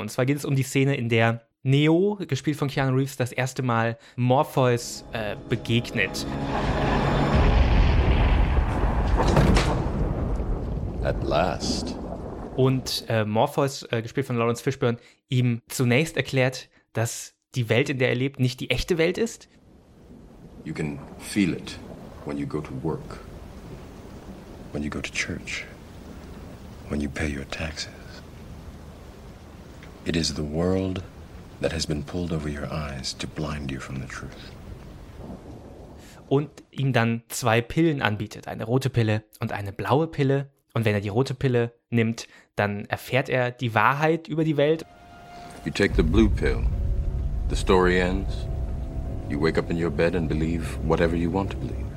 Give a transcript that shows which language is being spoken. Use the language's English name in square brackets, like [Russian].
[German] Und zwar geht es um die Szene, in der Neo, gespielt von Keanu Reeves, das erste Mal Morpheus begegnet. [English] At last. [German] Und Morpheus, gespielt von Lawrence Fishburne, ihm zunächst erklärt, dass die Welt, in der er lebt, nicht die echte Welt ist. [English] You can feel it when you go to work, when you go to church, when you pay your taxes. It is the world that has been pulled over your eyes to blind you from the truth. [German] und ihm dann zwei Pillen anbietet, eine rote Pille und eine blaue Pille. Und wenn er die rote Pille nimmt, dann erfährt er die Wahrheit über die Welt. [English] You take the blue pill. The story ends. You wake up in your bed and believe whatever you want to believe.